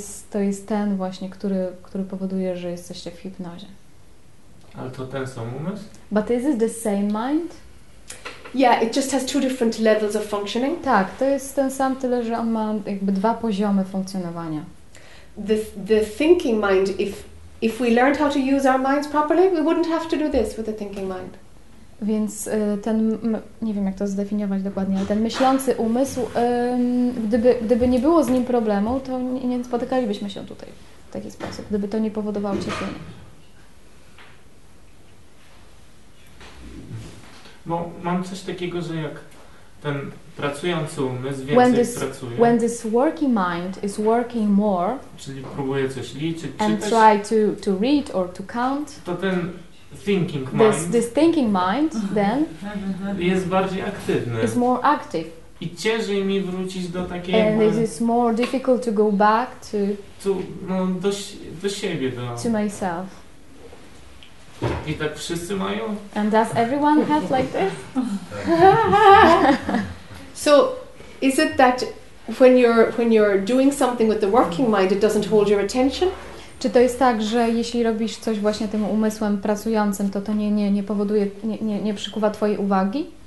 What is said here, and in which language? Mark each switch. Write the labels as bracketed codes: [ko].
[pl] To jest ten właśnie, który powoduje, że jesteście w hipnozie. Ale to ten sam umysł? [en] But is it the same mind? Yeah, it just has two different levels of functioning. [pl] Tak, to jest ten sam, tyle że on ma jakby dwa poziomy funkcjonowania. [en] The thinking mind, if we learned how to use our minds properly, we wouldn't have to do this with the thinking mind. [pl] Więc ten, nie wiem jak to zdefiniować dokładnie, ale ten myślący umysł, gdyby nie było z nim problemu, to nie spotykalibyśmy się tutaj w taki sposób, gdyby to nie powodowało cierpienia. Bo mam coś takiego, że jak ten pracujący umysł więcej [en] when this, [pl] pracuje. [en] When this working mind is working more, [pl] czyli próbuje coś liczyć, [en] and [pl] czytać, [en] try to read or to count, [pl] to ten [en] thinking mind. This thinking mind then [pl] jest bardziej aktywny. [en] Is more active. [pl] I ciężej mi wrócić do takiej. [en] And it is more difficult to go back to [pl] do siebie, do [en] to myself. [pl] I tak wszyscy mają? [en] And does everyone have like this? So, is it that when you're doing something with the working mind, it doesn't hold your attention? [pl] Czy to jest tak, że jeśli robisz coś właśnie tym umysłem pracującym, to nie przykuwa twojej uwagi?